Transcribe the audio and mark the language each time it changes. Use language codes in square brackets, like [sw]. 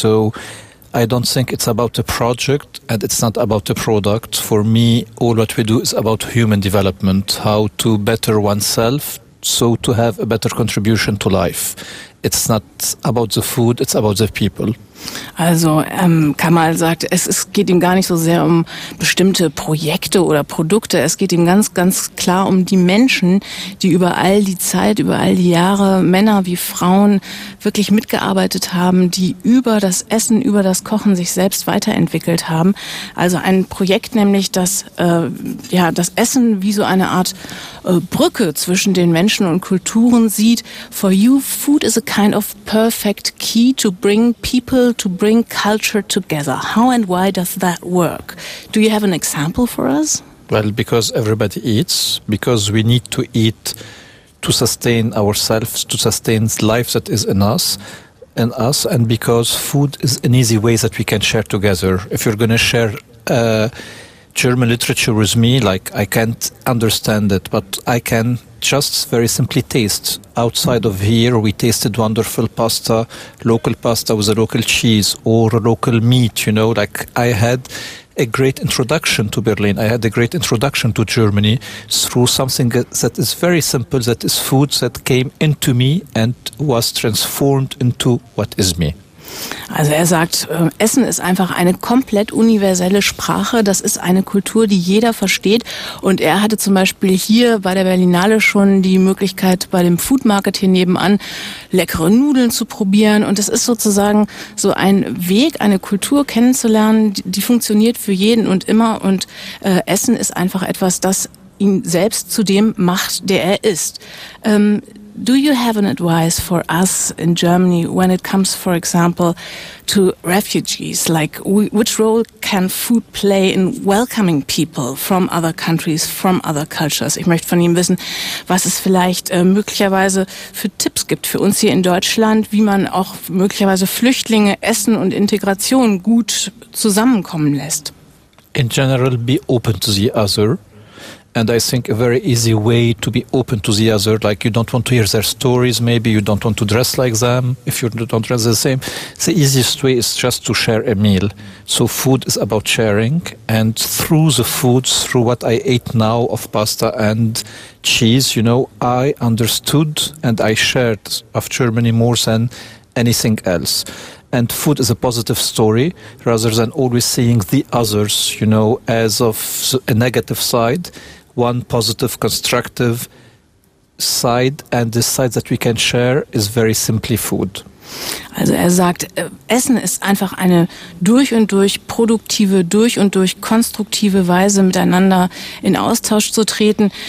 [en] So I don't think it's about a project and it's not about a product. For me, all what we do is about human development, how to better oneself, so to have a better contribution to life. It's not about the food, it's about the people. [de] Also Kamal sagt, es geht ihm gar nicht so sehr um bestimmte Projekte oder Produkte. Es geht ihm ganz, ganz klar um die Menschen, die über all die Zeit, über all die Jahre, Männer wie Frauen, wirklich mitgearbeitet haben, die über das Essen, über das Kochen sich selbst weiterentwickelt haben. Also ein Projekt nämlich, das das Essen wie so eine Art Brücke zwischen den Menschen und Kulturen sieht. [en] For you, food is a kind of perfect key to bring people, to bring culture together. How and why does that work? Do you have an example for us? Well, because everybody eats, because we need to eat to sustain ourselves, to sustain life that is in us, and because food is an easy way that we can share together. If you're going to share German literature with me, like, I can't understand it, but I can just very simply taste. Outside of here, we tasted wonderful pasta, local pasta with a local cheese or local meat, you know, like I had a great introduction to Berlin. I had a great introduction to Germany through something that is very simple, that is food that came into me and was transformed into what is me. [de] Also er sagt, Essen ist einfach eine komplett universelle Sprache. Das ist eine Kultur, die jeder versteht. Und er hatte zum Beispiel hier bei der Berlinale schon die Möglichkeit, bei dem Food Market hier nebenan leckere Nudeln zu probieren. Und es ist sozusagen so ein Weg, eine Kultur kennenzulernen, die funktioniert für jeden und immer. Und Essen ist einfach etwas, das ihn selbst zu dem macht, der er ist. [en] Do you have an advice for us in Germany when it comes, for example, to refugees? Like, which role can food play in welcoming people from other countries, from other cultures? [de] Ich möchte von ihm wissen, was es vielleicht möglicherweise für Tipps gibt für uns hier in Deutschland, wie man auch möglicherweise Flüchtlinge, Essen und Integration gut zusammenkommen lässt. [en] In general, be open to the other. And I think a very easy way to be open to the other, like you don't want to hear their stories, maybe you don't want to dress like them, if you don't dress the same. The easiest way is just to share a meal. So food is about sharing. And through the food, through what I ate now of pasta and cheese, you know, I understood and I shared of Germany more than anything else. And food is a positive story rather than always seeing the others, you know, as of a negative side, one positive, constructive side. And this side that we can share is very simply food. [de] Also er sagt, Essen ist einfach eine durch und durch produktive, durch und durch konstruktive Weise, miteinander in Austausch zu treten.